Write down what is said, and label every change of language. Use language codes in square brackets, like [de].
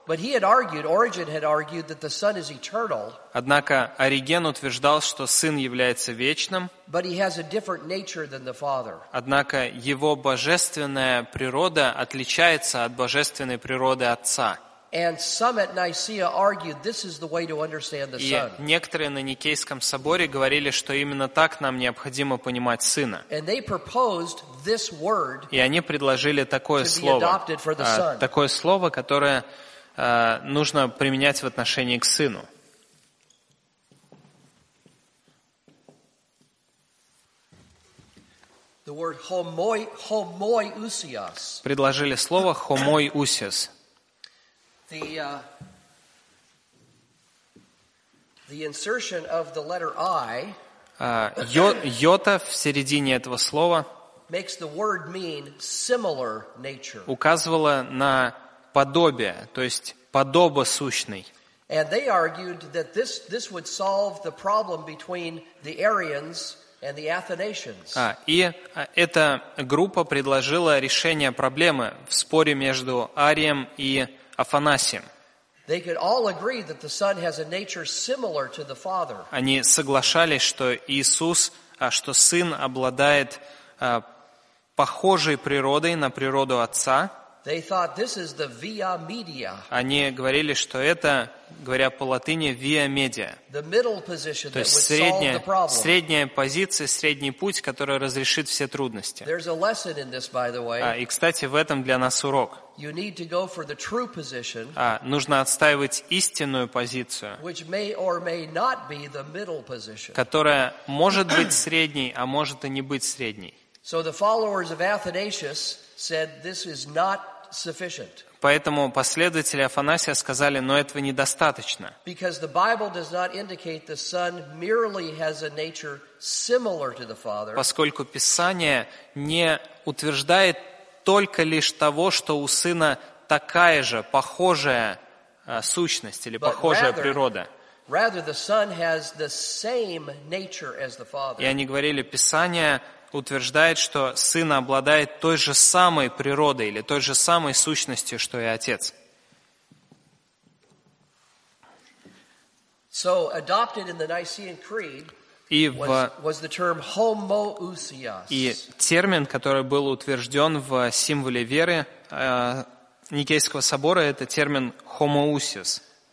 [en] But he had argued, Origen had argued that the Son is eternal. [ru] Однако Ориген утверждал, что Сын является вечным. [en] But he has a different nature than the Father. [ru] Однако его божественная природа отличается от божественной природы Отца. [en] And some at Nicaea argued this is the way to understand the Son. [ru] И некоторые на Никейском соборе говорили, что именно так нам необходимо понимать Сына. [en] And they proposed this word. [ru] И они предложили такое слово, такое слово, которое нужно применять в отношении к Сыну. [en] The word homoiousios. [ru] Предложили слово homoiousios. [en] The insertion of the letter I. [ru] Йота в середине этого слова. [en] Makes the word mean similar nature. [ru] Указывала на подобие, то есть подобосущный. [en] And they argued that this would solve the problem between the Arians and the Athanasians. [ru] И эта группа предложила решение проблемы в споре между Арием и Афанасием. [en] They could all agree that the Son has a nature similar to the Father. [ru] Они соглашались, что Иисус, что Сын обладает похожей природой на природу Отца. [en] They thought this is the via media. [ru] Они говорили, что это, говоря по латыни, via media. [en] The middle position that would solve the problem. [ru] То есть средняя позиция, средний путь, который разрешит все трудности. [en] There's a lesson in this, by the way. [ru] И, кстати, в этом для нас урок. [en] You need to go for the true position. [ru] Нужно отстаивать истинную позицию. [en] Which may or may not be the middle position. [ru] Которая может быть средней, а может и не быть средней. [en] So the followers of Athanasius said this is not sufficient. [ru] Поэтому последователи Афанасия сказали, но этого недостаточно. [en] Because the Bible does not indicate the Son merely has a nature similar to the Father. [ru] Поскольку Писание не утверждает только лишь того, что у Сына такая же, похожая сущность или похожая природа. [en] Rather the Son has the same nature as the Father. [ru] И они говорили, Писание утверждает, что Сын обладает той же самой природой или той же самой сущностью, что и Отец. [en] So adopted in the Nicene Creed was the term homoousios. [ru] И термин, который был утвержден в символе веры Никейского собора, это термин homoousios.